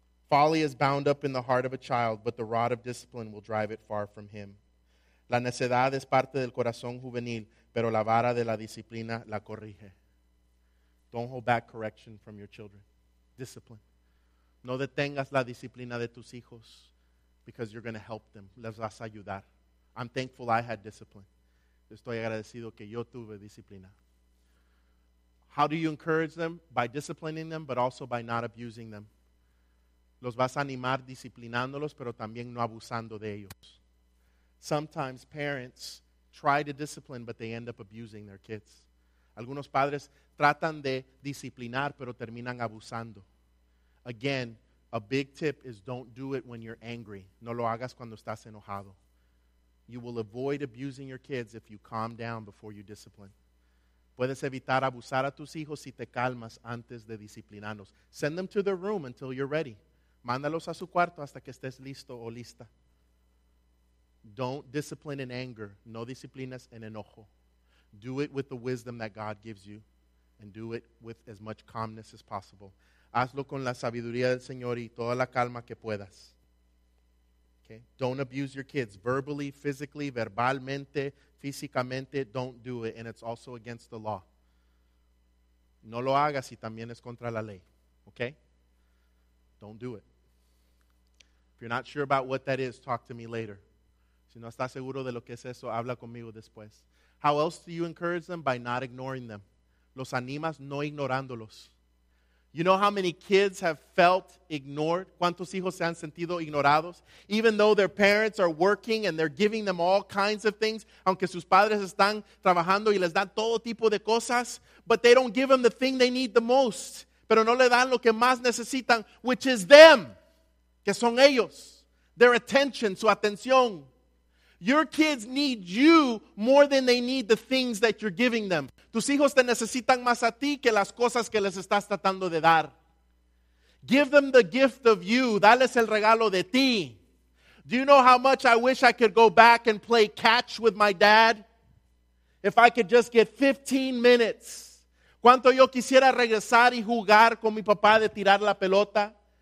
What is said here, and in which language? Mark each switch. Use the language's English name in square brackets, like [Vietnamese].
[English] Folly is bound up in the heart of a child, but the rod of discipline will drive it far from him. [Spanish] La necedad es parte del corazón juvenil, pero la vara de la disciplina la corrige. [English] Don't hold back correction from your children. Discipline. [Spanish] No detengas la disciplina de tus hijos [English] because you're going to help them. [Spanish] Les vas a ayudar. [English] I'm thankful I had discipline. [Spanish] Estoy agradecido que yo tuve disciplina. [English] How do you encourage them? By disciplining them, but also by not abusing them. [Spanish] Los vas a animar disciplinándolos, pero también no abusando de ellos. [English] Sometimes parents try to discipline, but they end up abusing their kids. [Spanish] Algunos padres tratan de disciplinar, pero terminan abusando. [English] Again, a big tip is don't do it when you're angry. [Spanish] No lo hagas cuando estás enojado. [English] You will avoid abusing your kids if you calm down before you discipline. [Spanish] Puedes evitar abusar a tus hijos si te calmas antes de disciplinarlos. [English] Send them to their room until you're ready. [Spanish] Mándalos a su cuarto hasta que estés listo o lista. [English] Don't discipline in anger. [Spanish] No disciplinas en enojo. [English] Do it with the wisdom that God gives you. And do it with as much calmness as possible. [Spanish] Hazlo con la sabiduría del Señor y toda la calma que puedas. [English] Okay? Don't abuse your kids verbally, physically, [Spanish] verbalmente, físicamente. [English] Don't do it. And it's also against the law. [Spanish] No lo hagas y también es contra la ley. [English] Okay? Don't do it. If you're not sure about what that is, talk to me later. [Spanish] Si no estás seguro de lo que es eso, habla conmigo después. [English] How else do you encourage them? By not ignoring them. [Spanish] Los animas no ignorándolos. [English] You know how many kids have felt ignored? [Spanish] ¿Cuántos hijos se han sentido ignorados? [English] Even though their parents are working and they're giving them all kinds of things, [Spanish] aunque sus padres están trabajando y les dan todo tipo de cosas, [English] but they don't give them the thing they need the most. [Spanish] Pero no le dan lo que más necesitan, [English] which is them, [Spanish] que son ellos, [English] their attention, [Spanish] su atención. [English] Your kids need you more than they need the things that you're giving them. [Spanish] Tus hijos te necesitan más a ti que las cosas que les estás tratando de dar. [English] Give them the gift of you. [Spanish] Dales el regalo de ti. [English] Do you know how much I wish I could go back and play catch with my dad? If I could just get 15 minutes. [Spanish] ¿Cuánto yo quisiera regresar y jugar con mi papá de tirar la pelota?